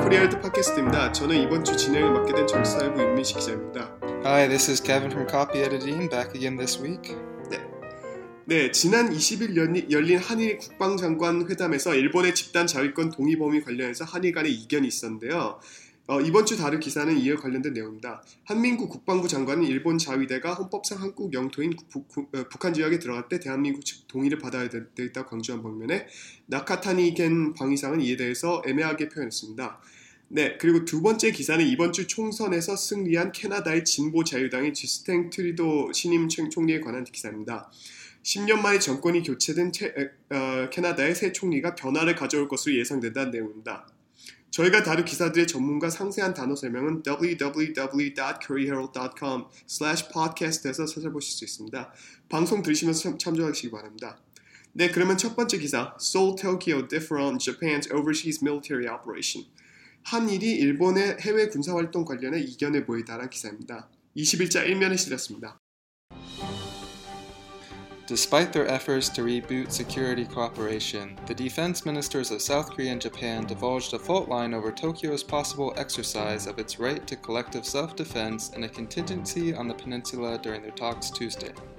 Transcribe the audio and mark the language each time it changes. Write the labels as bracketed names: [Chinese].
[Korean] 코리아 헬트 팟캐스트입니다. 저는 이번 주 진행을 맡게 된 정사회부 윤민식 기자입니다. [English] Hi, this is Kevin from Copy Editing, back again this week. [Korean] 네, 지난 20일 열린 한일 국방장관 회담에서 일본의 집단 자위권 동의 범위 관련해서 한일 간의 이견이 있었는데요. 이번 주 다룰 기사는 이에 관련된 내용입니다. 한민국 국방부 장관은 일본 자위대가 헌법상 한국 영토인 북한 지역에 들어갈 때 대한민국 측 동의를 받아야 되겠다고 강조한 반면에 나카타니 겐 방위상은 이에 대해서 애매하게 표현했습니다. 네, 그리고 두 번째 기사는 이번 주 총선에서 승리한 캐나다의 진보 자유당의 지스텐 트리도 신임 총리에 관한 기사입니다. 10년 만에 정권이 교체된 캐나다의 새 총리가 변화를 가져올 것으로 예상된다는 내용입니다. 저희가 다룬 기사들의 전문가 상세한 단어 설명은 www.koreaherald.com/podcast에서 찾아보실 수 있습니다. 방송 들으시면서 참조하시기 바랍니다. 네, 그러면 첫 번째 기사, [English] Seoul, Tokyo differ on Japan's overseas military operation. [Korean] 한일이 일본의 해외 군사활동 관련해 이견을 보이다라는 기사입니다. 20일자 1면에 실렸습니다. [English] Despite their efforts to reboot security cooperation, the defense ministers of South Korea and Japan divulged a fault line over Tokyo's possible exercise of its right to collective self-defense in a contingency on the peninsula during their talks Tuesday.